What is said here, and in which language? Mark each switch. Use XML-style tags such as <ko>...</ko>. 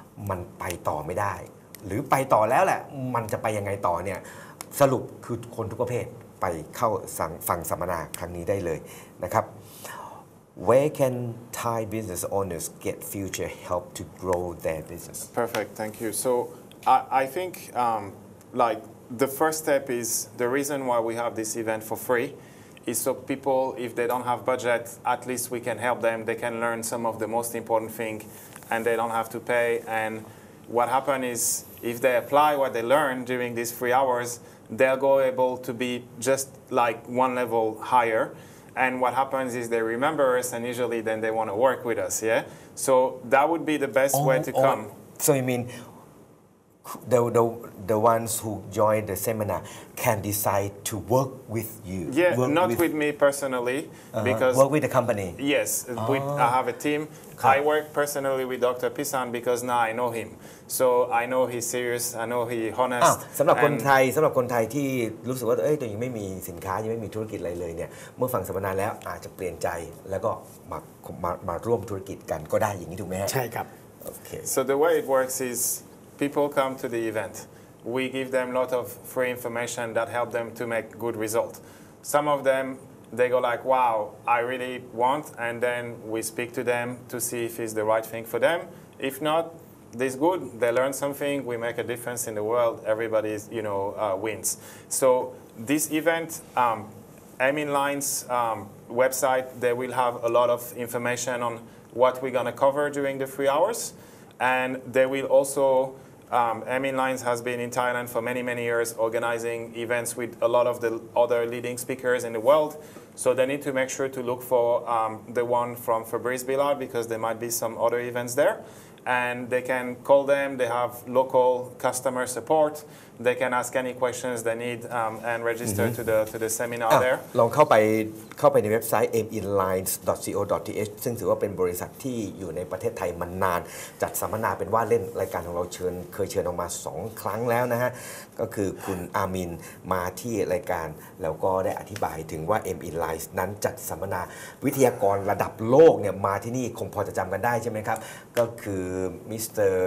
<th>มันไปต่อไม่ได้หรือไปต่อแล้วแหละมันจะไปยังไงต่อเนี่ยสรุปคือคนทุกประเภทไปเข้าฟังสัมมนาครั้งนี้ได้เลยนะครับ</th> <en>Where can Thai business owners get future help to grow their business? Perfect, thank you. So I think like the first step is the reason why we have this event for free is so people, if they don't have budget, at least we can help them. They can learn some of the most important thing and they don't have to pay. And what happens is if they apply what they learn during these 3 hours, they'll go able to be just like one level higher. And what happens is they remember us, and usually then they want to work with us, yeah? So that would be the best way to come. So you mean the ones who join the seminar can decide to work with you? Yeah, not with me personally. Because work with the company? Yes, I have a team. I work personally with Dr. Pisan because now I know him. So I know he's serious, I know he's honest.</en> <th>สำหรับคนไทยที่รู้สึกว่าเอ้ยตัวเองไม่มีสินค้ายังไม่มีธุรกิจอะไรเลยเนี่ยเมื่อฟังสัมมนาแล้วอาจจะเปลี่ยนใจแล้วก็มาร่วมธุรกิจกันก็ได้อย่างนี้ถูกไหม ใช่ครับ โอเค</th> <en>So the way it works is people come to the event. We give them a lot of free information that help them to make good result. Some of them they go like, wow, I really want, and then we speak to them to see if it's the right thing for them. If not, this good, they learn something, we make a difference in the world, everybody, you know, wins. So this event, Aminline's website, they will have a lot of information on what we're going to cover during the 3 hours. And they will also Emin Lines has been in Thailand for many, many years organizing events with a lot of the other leading speakers in the world. So they need to make sure to look for the one from Fabrice Billard, because there might be some other events there. And they can call them, they have local customer support, they can ask any questions they need and register mm-hmm. to the seminar there.</en> <th>ลองเข้าไปในเว็บไซต์ aminlines.co.th ซึ่งถือว่าเป็นบริษัทที่อยู่ในประเทศไทยมานานจัดสัมมนาเป็นว่าเล่นรายการของเราเคยเชิญออกมา2ครั้งแล้วนะฮะก็คือคุณอามินมาที่รายการแล้วก็ได้อธิบายถึงว่า aminlines นั้นจัดสัมมนาวิทยากรระดับโลกเนี่ยมาที่นี่คงพอจะจำกันได้ใช่ไหมครับก็คือมิสเต</th>